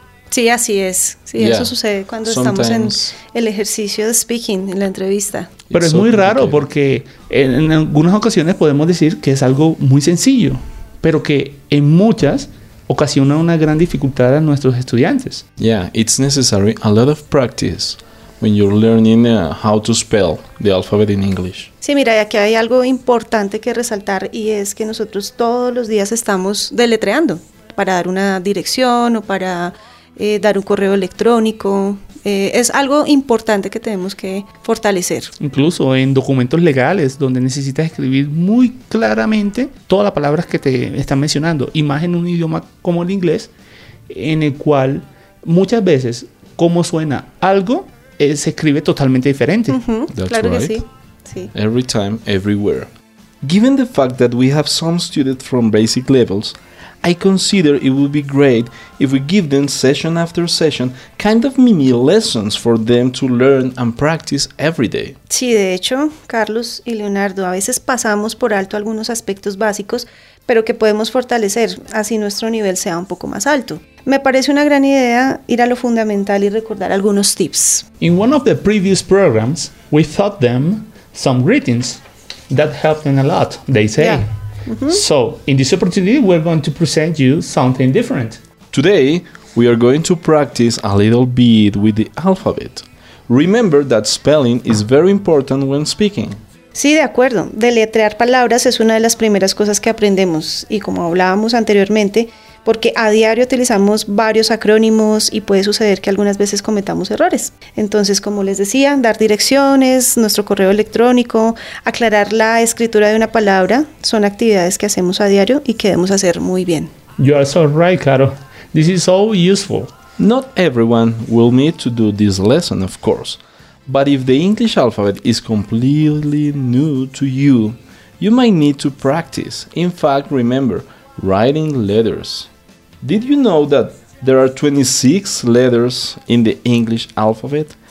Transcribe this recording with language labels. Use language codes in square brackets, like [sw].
[es] Sí, así es. Sí, yeah. Eso sucede cuando estamos en el ejercicio de speaking, en la entrevista. Pero es muy raro porque en algunas ocasiones podemos decir que es algo muy sencillo, pero que en muchas ocasiona una gran dificultad a nuestros estudiantes. [en] Yeah, it's necessary a lot of practice when you're learning how to spell the alphabet in English. [es] Sí, mira, aquí hay algo importante que resaltar y es que nosotros todos los días estamos deletreando para dar una dirección o para dar un correo electrónico. Es algo importante que tenemos que fortalecer. Incluso en documentos legales, donde necesitas escribir muy claramente todas las palabras que te están mencionando, y más en un idioma como el inglés, en el cual muchas veces, como suena algo, se escribe totalmente diferente. [en] That's [es] claro right. Que sí. [en] Every time, everywhere. Given the fact that we have some students from basic levels, I consider it would be great if we give them session after session kind of mini lessons for them to learn and practice every day. [es] Sí, de hecho, Carlos y Leonardo, a veces pasamos por alto algunos aspectos básicos, pero que podemos fortalecer, así nuestro nivel sea un poco más alto. Me parece una gran idea ir a lo fundamental y recordar algunos tips. [en] In one of the previous programs, we taught them some greetings that helped them a lot, they say. Yeah. So, in this opportunity, we're going to present you something different. Today, we are going to practice a little bit with the alphabet. Remember that spelling is very important when speaking. [es] Sí, de acuerdo. Deletrear palabras es una de las primeras cosas que aprendemos. Y como hablábamos anteriormente, porque a diario utilizamos varios acrónimos y puede suceder que algunas veces cometamos errores. Entonces, como les decía, dar direcciones, nuestro correo electrónico, aclarar la escritura de una palabra, son actividades que hacemos a diario y que debemos hacer muy bien. [en] You are so right, Caro. This is so useful. Not everyone will need to do this lesson, of course. But if the English alphabet is completely new to you, you might need to practice. In fact, remember, writing letters. Did you know that there are 26 letters in the English alphabet?